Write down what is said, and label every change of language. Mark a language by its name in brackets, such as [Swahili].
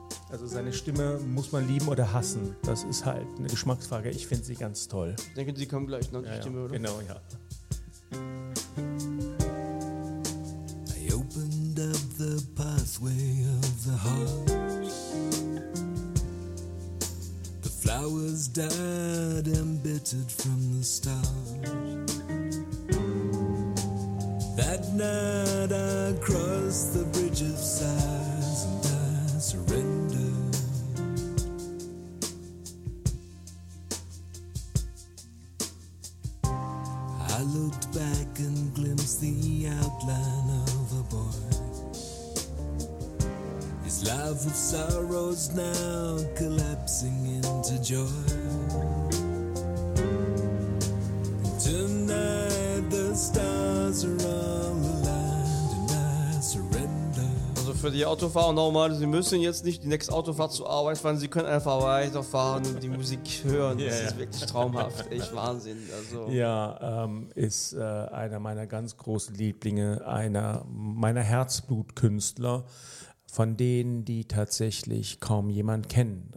[German] Also seine Stimme muss man lieben oder hassen. Das ist halt eine Geschmacksfrage. Ich finde sie ganz toll. Ich denke, sie kommen gleich noch, die Stimme, oder? Genau, ja. [English] I opened up the pathway of the heart. The flowers died embittered from the start. That night I crossed the bridge of sighs and I surrendered. I I looked back and glimpsed the outline of a boy. His life of sorrows now collapsing into joy. And tonight the stars are all aligned and I surrender. [German] Also für die Autofahrer nochmal, sie müssen jetzt nicht die nächste Autofahrt zur Arbeit fahren, sie können einfach weiterfahren und die Musik hören. Yeah. Das ist wirklich traumhaft, echt Wahnsinn. Also. Ja, ist einer meiner ganz großen Lieblinge, einer meiner Herzblutkünstler, von denen, die tatsächlich kaum jemand kennen.